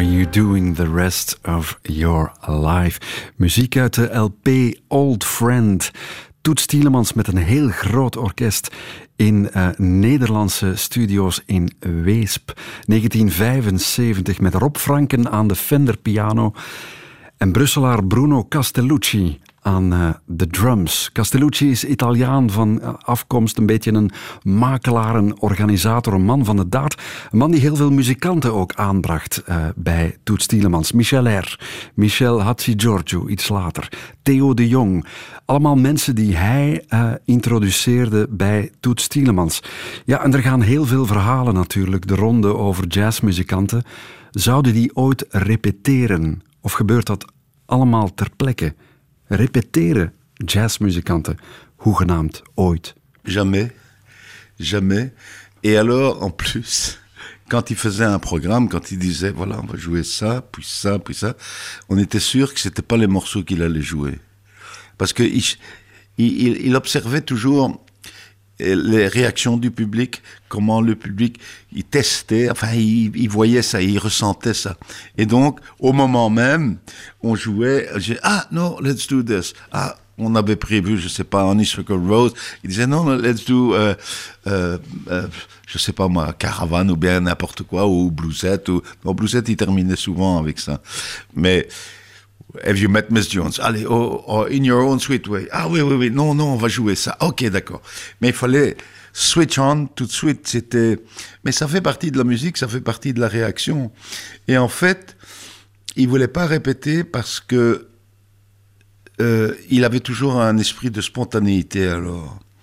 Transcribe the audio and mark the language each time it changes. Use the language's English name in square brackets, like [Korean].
[English] Doing the rest of your life. [Dutch] Muziek uit de LP Old Friend. Toets Tielemans met een heel groot orkest in Nederlandse studio's in Weesp. 1975 met Rob Franken aan de Fender piano en Brusselaar Bruno Castellucci aan de drums. Castellucci is Italiaan van afkomst, een beetje een makelaar, een organisator, een man van de daad. Een man die heel veel muzikanten ook aanbracht bij Toets Tielemans. Michel R., Michel Hatzigiorgio, iets later. Theo de Jong. Allemaal mensen die hij introduceerde bij Toets Tielemans. Ja, en er gaan heel veel verhalen natuurlijk de ronde over jazzmuzikanten. Zouden die ooit repeteren? Of gebeurt dat allemaal ter plekke? Repeteren jazzmuzikanten, hoegenaamd ooit? [French] Jamais. jamais. Et alors, en plus, quand il faisait un programme, quand il disait, voilà, on va jouer ça, puis ça, puis ça, on était sûr que c'était pas les morceaux qu'il allait jouer. Parce que il observait toujours les réactions du public, comment le public, il testait, enfin, il voyait ça, il ressentait ça. Et donc, au moment même, on jouait, j'ai dit, ah, [English] no, let's do this. [French] Ah, on avait prévu, je sais pas, Honey Circle Rose. Il disait, non, [English] let's do, [French] je sais pas moi, Caravane ou bien n'importe quoi, ou Bluesette. Ou... Non, Bluesette, il terminait souvent avec ça. Mais, have you met Miss Jones? Allez, in your own sweet way. Ah oui, oui, oui, non, non, on va jouer ça. Ok, d'accord. Mais il fallait switch on tout de suite. C'était... Mais ça fait partie de la musique, ça fait partie de la réaction. Et en fait, il ne voulait pas répéter parce que il avait toujours un esprit de spontanéité alors.